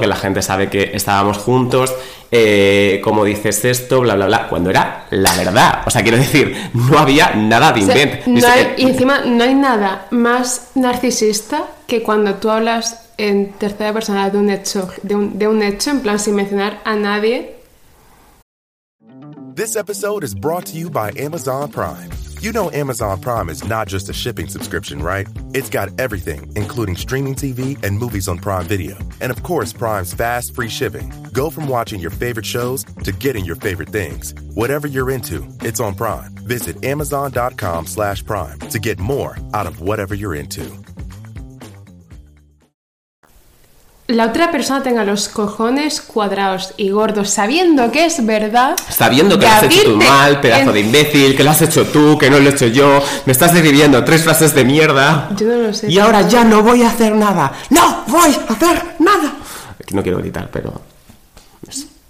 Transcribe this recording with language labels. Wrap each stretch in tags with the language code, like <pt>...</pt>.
<es>Que la gente sabe que estábamos juntos, ¿cómo dices esto? Bla, bla, bla. Cuando era la verdad. O sea, quiero decir, no había nada de invent. Y encima no hay nada más narcisista que cuando tú hablas en tercera persona de un hecho en plan sin mencionar a nadie.</es> <en>This episode is brought to you by Amazon Prime. You know Amazon Prime is not just a shipping subscription, right? It's got everything, including streaming TV and movies on Prime Video. And of course, Prime's fast, free shipping. Go from watching your favorite shows to getting your favorite things. Whatever you're into, it's on Prime. Visit amazon.com/prime to get more out of whatever you're into.</en> <es>La otra persona tenga los cojones cuadrados y gordos, sabiendo que es verdad. Sabiendo que lo has hecho tú mal, pedazo de imbécil, que lo has hecho tú, que no lo he hecho yo. Me estás escribiendo tres frases de mierda. Yo no lo sé. Y ahora ya no voy a hacer nada. ¡No voy a hacer nada! No quiero gritar, pero... Eso.</es>